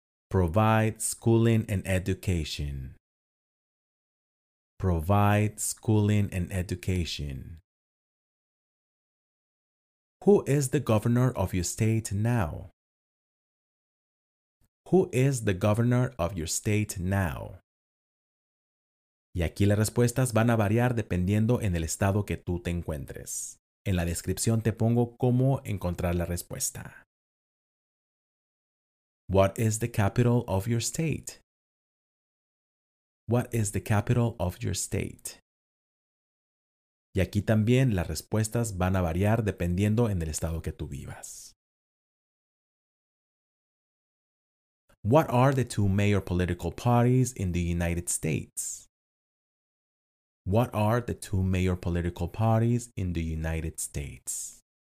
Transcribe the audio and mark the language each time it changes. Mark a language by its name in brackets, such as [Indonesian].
[English] Provide schooling and education. Provide schooling and education. Who is the governor of your state now? Who is the governor of your state now? [Spanish] Y aquí las respuestas van a variar dependiendo en el estado que tú te encuentres. En la descripción te pongo cómo encontrar la respuesta. [English] What is the capital of your state? What is the capital of your state? [Spanish] Y aquí también las respuestas van a variar dependiendo en el estado que tú vivas. [English] What are the two major political parties in the United States? What are the two major political parties in the United States?